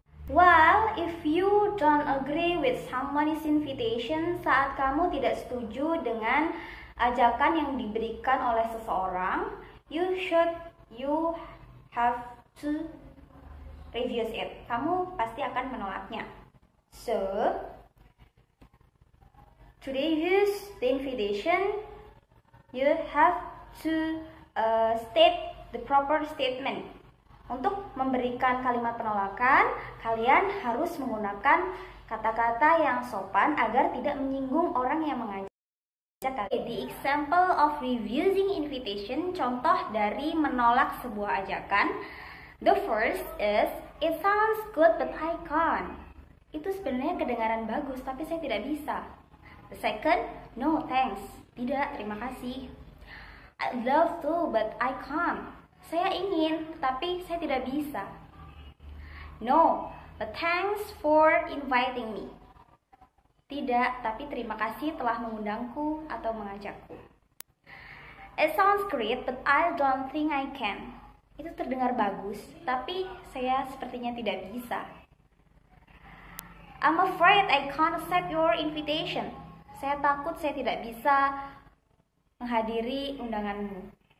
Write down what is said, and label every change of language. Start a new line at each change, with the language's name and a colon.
English: Well, if you don't agree with someone's invitation
Indonesian: saat kamu tidak setuju dengan ajakan yang diberikan oleh seseorang,
English: you have to refuse it.
Indonesian: Kamu pasti akan menolaknya.
English: So, to refuse the invitation, you have to state the proper statement.
Indonesian: Untuk memberikan kalimat penolakan, kalian harus menggunakan kata-kata yang sopan agar tidak menyinggung orang yang mengajak.
English: The example of refusing invitation,
Indonesian: contoh dari menolak sebuah ajakan.
English: The first is, it sounds good but I can't.
Indonesian: Itu sebenarnya kedengaran bagus, tapi saya tidak bisa.
English: The second, no thanks.
Indonesian: Tidak, terima kasih.
English: I'd love to but I can't.
Indonesian: Saya ingin, tapi saya tidak bisa.
English: No, but thanks for inviting me.
Indonesian: Tidak, tapi terima kasih telah mengundangku atau mengajakku.
English: It sounds great, but I don't think I can.
Indonesian: Itu terdengar bagus, tapi saya sepertinya tidak bisa.
English: I'm afraid I can't accept your invitation.
Indonesian: Saya takut saya tidak bisa menghadiri undanganmu.